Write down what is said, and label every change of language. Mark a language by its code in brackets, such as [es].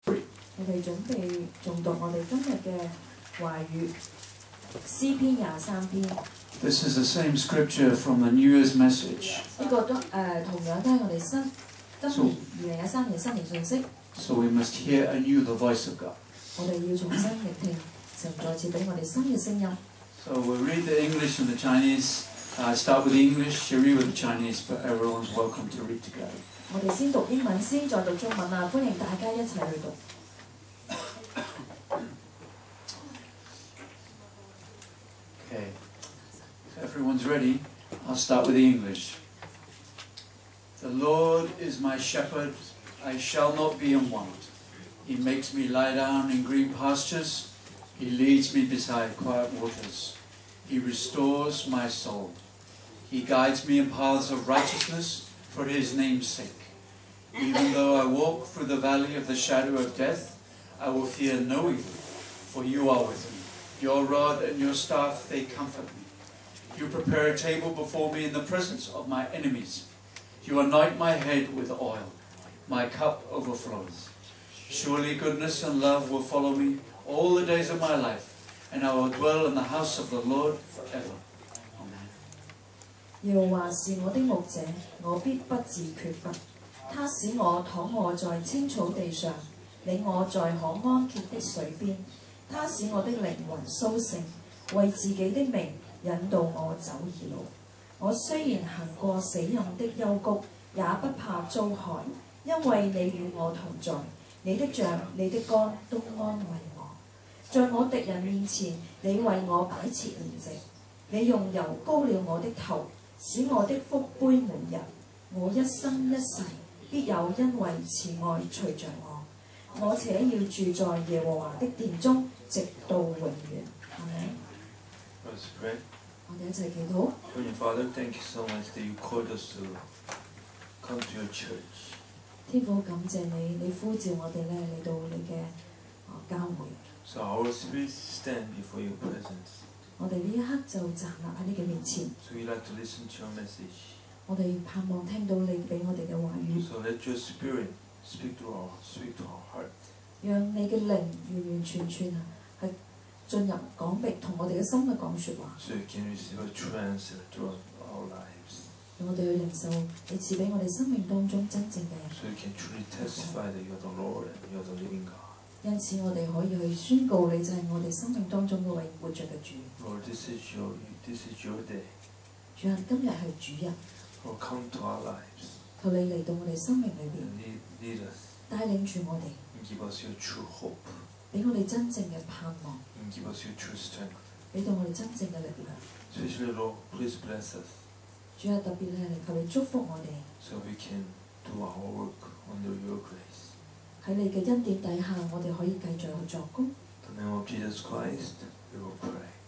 [yue] 我哋準備仲讀我哋今日嘅話語詩篇廿三篇。 [en] This is the same scripture from the New Year's message. [yue] 呢個都同樣都係我哋新今年2013年新年信息。 [en] So we must hear anew the voice of God. [yue] 我哋要重新聆聽神再次俾我哋新嘅聲音。 [en] So we'll read the English and the Chinese. Start with the English, Cherie with the Chinese, but everyone's welcome to read together. [yue] 我哋先讀英文，先再讀中文啊！歡迎大家一齊去讀。 [en] Everyone's ready. I'll start with the English. The Lord is my shepherd. I shall not be in want. He makes me lie down in green pastures. He leads me beside quiet waters. He restores my soul. He guides me in paths of righteousness for his name's sake. Even though I walk through the valley of the shadow of death, I will fear no evil, for you are with me. Your rod and your staff, they comfort me. You prepare a table before me in the presence of my enemies. You anoint my head with oil. My cup overflows. Surely goodness and love will follow me all the days of my life, and I will dwell in the house of the Lord forever. Amen. [yue] 耶和華是我的牧者，我必不致缺乏。他使我躺卧在青草地上，领我在可安歇的水边。他使我的灵魂苏醒，为自己的名引導我走義路。我雖然行過死蔭的幽谷，也不怕遭害，因為你與我同在，你的杖、你的竿都安慰我。在我敵人面前，你為我擺設筵席，你用油膏了我的頭，使我的福杯滿溢。我一生一世必有恩惠慈愛隨著我，我且要住在耶和華的殿中，直到永遠。 [en] Let's pray. Heavenly Father, thank you so much that you called us to come to your church. [yue] 天父，感謝你，你呼召我哋咧嚟到你嘅教會。 [en] So our spirits stand before your presence. [yue] 我哋呢一刻就站立喺你嘅面前。 [en] So we like to listen to your message. [yue] 我哋盼望聽到你俾我哋嘅話語。 [en] So let your spirit speak to our speak to our heart. [yue] 讓你嘅靈完完全全啊，係。進入講密同我哋嘅心嘅講説話。 [en] So can we receive a trance through our lives? [yue] 讓我哋去領受你賜俾我哋生命當中真正嘅。 [en] So can truly testify that you're the Lord and you're the living God. [yue] 因此我哋可以去宣告你就係我哋生命當中嗰位活著嘅主。 [en] Lord, this is your day. [yue] 主啊，今日係主日。 [en] Lord, come to our lives. [yue] 求你嚟到我哋生命裏邊。 [en] And lead us. [yue] 帶領住我哋。 [en] And give us your true hope. [yue] 俾我哋真正嘅盼望。 [en] And give us your true strength. [yue] 俾到我哋真正嘅力量。 [en] Especially, Lord, please bless us. [yue] 主啊，特別咧，你求你祝福我哋。 [en] So we can do our work under your grace. [yue] 喺你嘅恩典底下，我哋可以繼續去作工。 [en] In the name of Jesus Christ, we will pray.